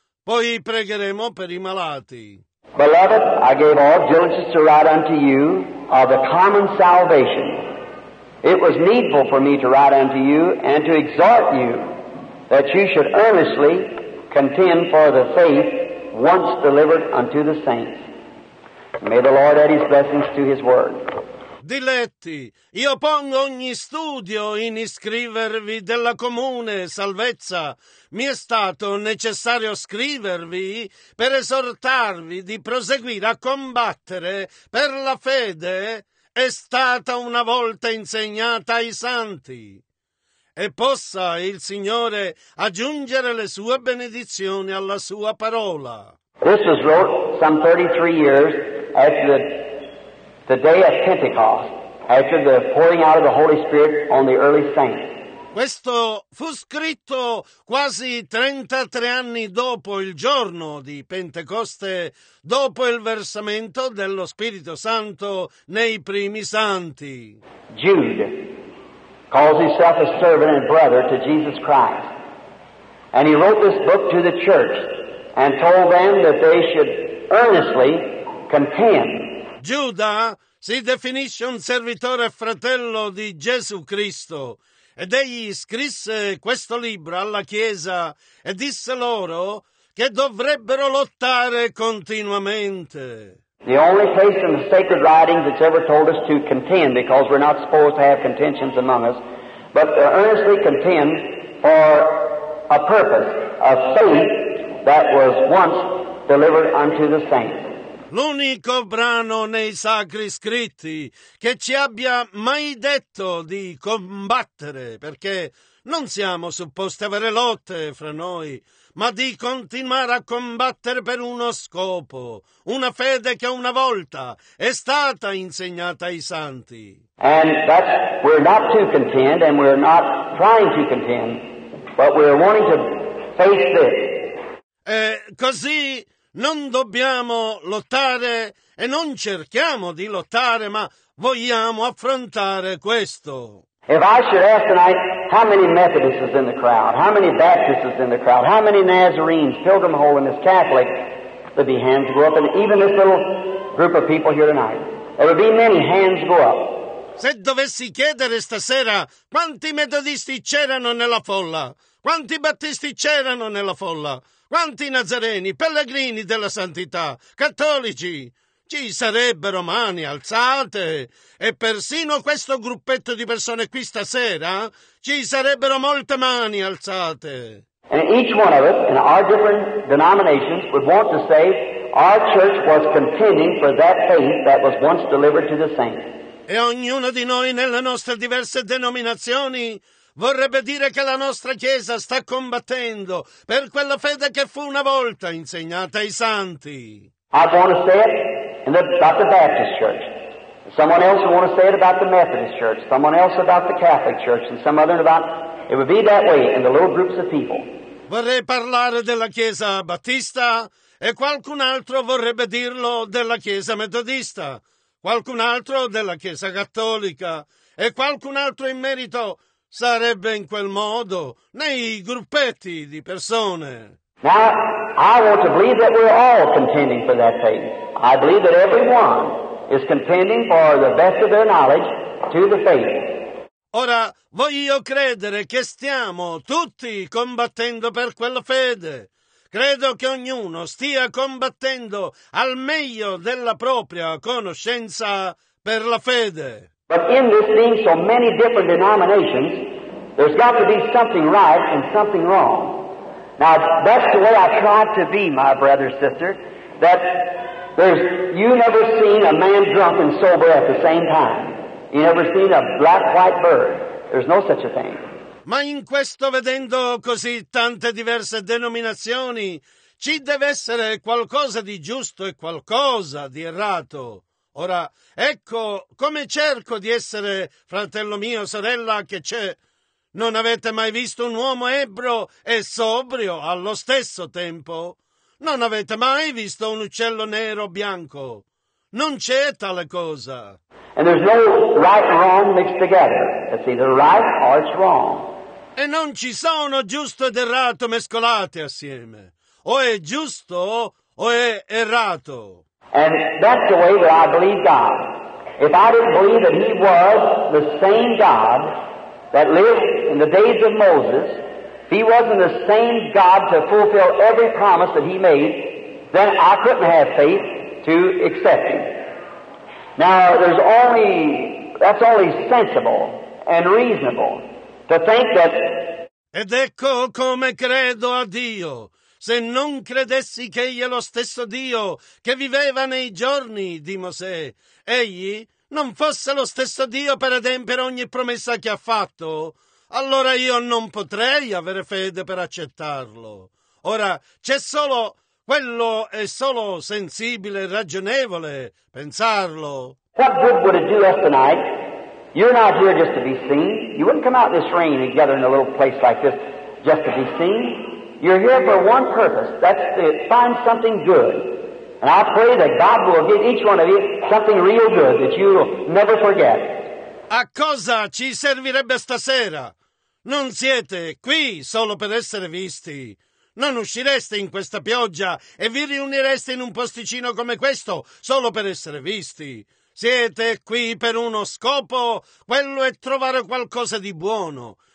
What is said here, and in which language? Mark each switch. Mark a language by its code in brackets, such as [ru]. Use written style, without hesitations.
[it] Poi pregheremo per i malati. [en] Beloved, I gave all diligence to write unto you of the common salvation. It was needful for me to write unto you and to exhort you that you should earnestly contend for the faith once delivered unto the saints. May the Lord add his blessings to his word. [it] Diletti, io pongo ogni studio in iscrivervi della comune salvezza. Mi è stato necessario scrivervi per esortarvi di proseguire a combattere per la fede è stata una volta insegnata ai santi. E possa il Signore aggiungere le sue benedizioni alla sua parola. [en] This was wrote some 33 years after the day of Pentecost, after the pouring out of the Holy Spirit on the early saints. [it] Questo fu scritto quasi 33 anni dopo il giorno di Pentecoste, dopo il versamento dello Spirito Santo nei primi santi. [en] Jude calls himself a servant and brother to Jesus Christ. And he wrote this book to the church and told them that they should earnestly contend. [it] Giuda si definisce un servitore fratello di Gesù Cristo ed egli scrisse questo libro alla Chiesa e disse loro che dovrebbero lottare continuamente. [en] The only place in the sacred writings that's ever told us to contend, because we're not supposed to have contentions among us, but to earnestly contend for a purpose, a faith that was once delivered unto the saints. [it] L'unico brano nei sacri scritti che ci abbia mai detto di combattere, perché non siamo supposti avere lotte fra noi, ma di continuare a combattere per uno scopo, una fede che una volta è stata insegnata ai santi. [en] And that's, we're not to contend and we're not trying to contend, But we're wanting to face this. [it] Così non dobbiamo lottare e non cerchiamo di lottare, ma vogliamo affrontare questo. [en] If I should ask tonight, how many Methodists is in the crowd? How many Baptists is in the crowd? How many Nazarenes, Pilgrim Holiness, Catholics? There'd be hands go up, and even this little group of people here tonight. There would be many hands go up. [it] Se dovessi chiedere stasera quanti metodisti c'erano nella folla, quanti battisti c'erano nella folla, quanti nazareni, pellegrini della santità, cattolici, ci sarebbero mani alzate. E persino questo gruppetto di persone qui stasera, ci sarebbero molte mani alzate. [en] And each one of us in our different denominations would want to say our church was contending for that faith that was once delivered to the saints. [it] E ognuno di noi nelle nostre diverse denominazioni vorrebbe dire che la nostra Chiesa sta combattendo per quella fede che fu una volta insegnata ai santi. [en] I want to say it in the, about the Baptist church. Someone else would want to say it about the Methodist church. Someone else about the Catholic church. And some other about... It would be that way in the little groups of people. [it] Vorrei parlare della Chiesa Battista e qualcun altro vorrebbe dirlo della Chiesa Metodista. Qualcun altro della Chiesa Cattolica e qualcun altro in merito sarebbe in quel modo, nei gruppetti di persone. [en] Now, I want to believe that we're all contending for that faith. I believe that everyone is contending for the best of their knowledge to the faith. [it] Ora, voglio credere che stiamo tutti combattendo per quella fede. Credo che ognuno stia combattendo al meglio della propria conoscenza per la fede. [en] But in this being so many different denominations, there's got to be something right and something wrong. Now, that's the way I try to be, my brother, sister, that there's, you never seen a man drunk and sober at the same time. You never seen a black white bird. There's no such a thing. [it] Ma in questo vedendo così tante diverse denominazioni, ci deve essere qualcosa di giusto e qualcosa di errato. Ora, ecco come cerco di essere, fratello mio, sorella, che c'è. Non avete mai visto un uomo ebro e sobrio allo stesso tempo? Non avete mai visto un uccello nero o bianco? Non c'è tale cosa. [en] And there's no right or wrong mixed together. It's either right or it's wrong. [it] E non ci sono giusto ed errato mescolati assieme. O è giusto o è errato. [en] And that's the way that I believe God. If I didn't believe that He was the same God that lived in the days of Moses, if He wasn't the same God to fulfill every promise that He made, then I couldn't have faith to accept Him. Now, that's only sensible and reasonable to think that... [it] Ed ecco come credo a Dio. Se non credessi che Egli è lo stesso Dio che viveva nei giorni di Mosè, Egli non fosse lo stesso Dio per adempiere ogni promessa che ha fatto, allora io non potrei avere fede per accettarlo. Ora, c'è solo... Quello è solo sensibile e ragionevole pensarlo. [en] What good would it do us tonight? You're not here just to be seen. You wouldn't come out this rain and gather in a little place like this just to be seen. You're here for one purpose. That's to find something good. And I pray that God will give each one of you something real good that you will never forget. [it] A cosa ci servirebbe stasera? Non siete qui solo per essere visti. Non uscireste in questa pioggia e vi riunireste in un posticino come questo solo per essere visti. Siete qui per uno scopo, quello è trovare qualcosa di buono.